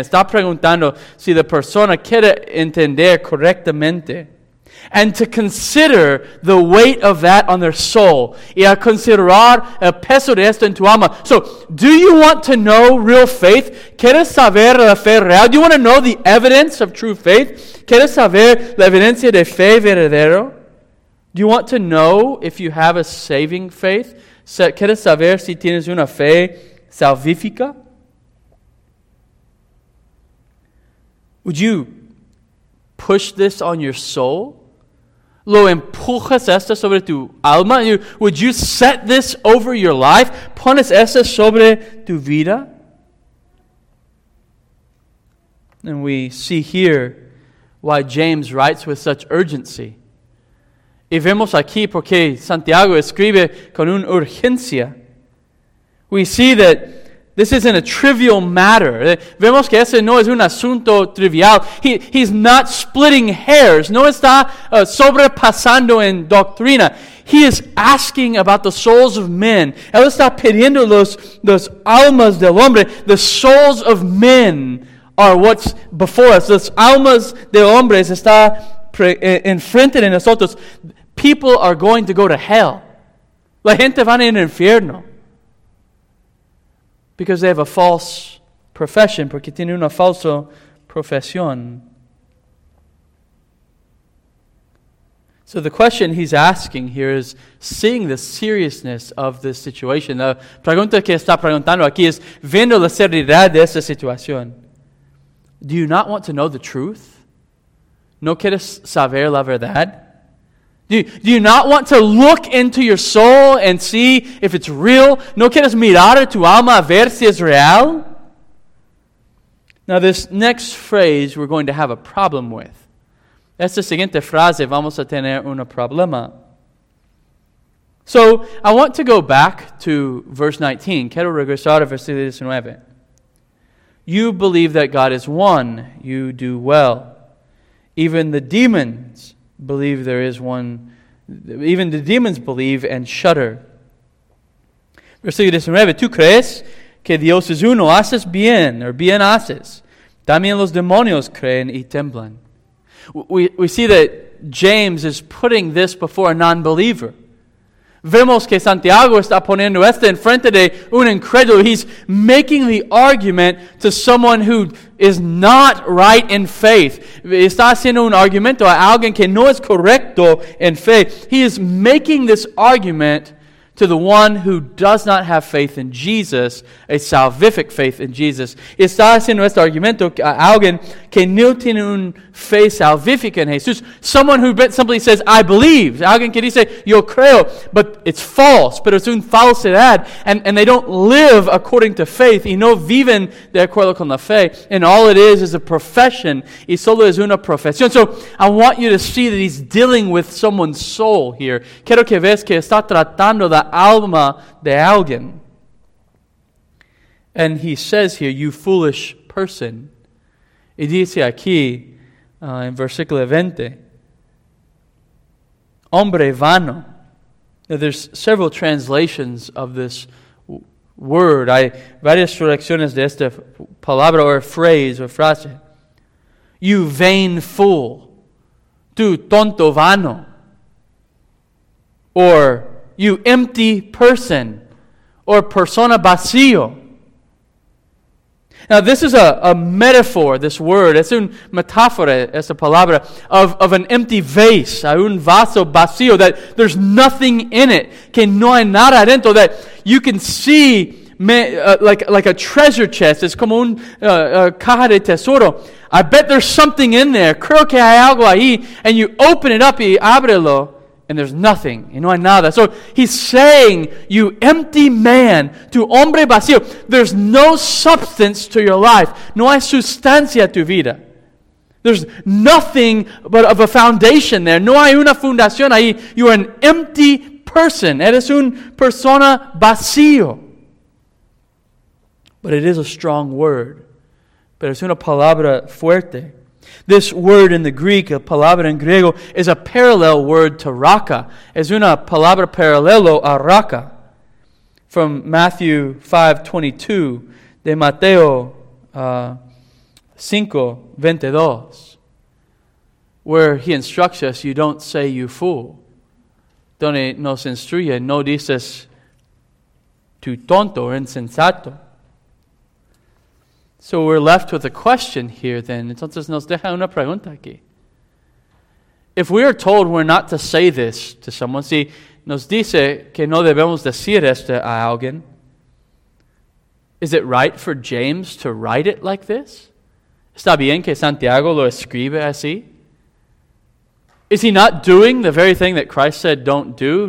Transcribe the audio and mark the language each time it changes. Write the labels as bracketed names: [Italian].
[Spanish] Está preguntando si la persona quiere entender correctamente. [English] And to consider the weight of that on their soul. [Spanish] Y a considerar el peso de esto en tu alma. [English] So, do you want to know real faith? [Spanish] ¿Quieres saber la fe real? [English] Do you want to know the evidence of true faith? [Spanish] ¿Quieres saber la evidencia de fe verdadero? [English] Do you want to know if you have a saving faith? [Spanish] ¿Quieres saber si tienes una fe salvífica? [English] Would you push this on your soul? [Spanish] ¿Lo empujas esto sobre tu alma? [English] Would you set this over your life? [Spanish] ¿Pones esto sobre tu vida? [English] And we see here why James writes with such urgency. [Spanish] Y vemos aquí porque Santiago escribe con una urgencia. [English] We see that this isn't a trivial matter. [Spanish] Vemos que ese no es un asunto trivial. [English] He's not splitting hairs. [Spanish] No está sobrepasando en doctrina. [English] He is asking about the souls of men. [Spanish] Él está pidiendo los almas del hombre. [English] The souls of men are what's before us. [Spanish] Los almas del hombre está enfrente de nosotros. [English] People are going to go to hell. [Spanish] La gente va en el infierno. [English] Because they have a false profession, [Spanish] porque tienen una falsa profesión. [English] So the question he's asking here is, seeing the seriousness of this situation, [Spanish] la pregunta que está preguntando aquí es, viendo la seriedad de esta situación, [English] do you not want to know the truth? [Spanish] ¿No quieres saber la verdad? [English] Do you not want to look into your soul and see if it's real? [Spanish] ¿No quieres mirar a tu alma a ver si es real? [English] Now this next phrase we're going to have a problem with. [Spanish] Esta siguiente frase vamos a tener un problema. [English] So I want to go back to verse 19. [Spanish] Quiero regresar a versículo 19. [English] You believe that God is one. You do well. Even the demons believe there is one. Even the demons believe and shudder. [Spanish] Versículo 19. ¿Tú crees que Dios es uno? Haces bien, or bien haces. También los demonios creen y temblan. [English] We see that James is putting this before a non-believer. [Spanish] Vemos que Santiago está poniendo esto en frente de un incrédulo. [English] He's making the argument to someone who is not right in faith. [Spanish] Está haciendo un argumento a alguien que no es correcto en fe. [English] He is making this argument to the one who does not have faith in Jesus, a salvific faith in Jesus. [Spanish] Está haciendo este argumento a alguien que no tiene un fe salvífica en Jesús. [English] Someone who simply says, I believe. [Spanish] Alguien que dice, yo creo. [English] But it's false. [Spanish] Pero es un falsedad. [English] And they don't live according to faith. [Spanish] Y no viven de acuerdo con la fe. [English] And all it is a profession. [Spanish] Y solo es una profesión. [English] So I want you to see that he's dealing with someone's soul here. [Spanish] Quiero que veas que está tratando la alma de alguien. [English] And he says here, you foolish person. [Spanish] Y dice aquí, en versículo 20, hombre vano. [English] Now, there's several translations of this word. [Spanish] Hay varias traducciones de esta palabra [English] or phrase or [Spanish] frase. [English] You vain fool. [Spanish] Tú tonto vano. [English] Or you empty person. Or [Spanish] persona vacío. [English] Now, this is a metaphor, this word. [Spanish] Es un metáfora, esa palabra, [English] of an empty vase, [Spanish] a un vaso vacío, [English] that there's nothing in it, [Spanish] que no hay nada adentro, [English] that you can see like a treasure chest. [Spanish] Es como un caja de tesoro. [English] I bet there's something in there. [Spanish] Creo que hay algo ahí. [English] And you open it up [Spanish] y ábrelo, [English] and there's nothing. [Spanish] Y no hay nada. [English] So he's saying, you empty man, [Spanish] tu hombre vacío, [English] there's no substance to your life. [Spanish] No hay sustancia a tu vida. [English] There's nothing but of a foundation there. [Spanish] No hay una fundación ahí. [English] You are an empty person. [Spanish] Eres un persona vacío. [English] But it is a strong word. [Spanish] Pero es una palabra fuerte. [English] This word in the Greek, [Spanish] a palabra en griego, [English] is a parallel word to raca. [Spanish] Es una palabra paralelo a raca. [English] From Matthew 5:22, [Spanish] de Mateo 5:22, [English] where he instructs us, you don't say you fool. [Spanish] Donde nos instruye, no dices tu tonto or insensato. [English] So we're left with a question here then. [Spanish] Entonces nos deja una pregunta aquí. [English] If we are told we're not to say this to someone, [Spanish] si nos dice que no debemos decir esto a alguien, [English] is it right for James to write it like this? [Spanish] ¿Está bien que Santiago lo escribe así? [English] Is he not doing the very thing that Christ said don't do?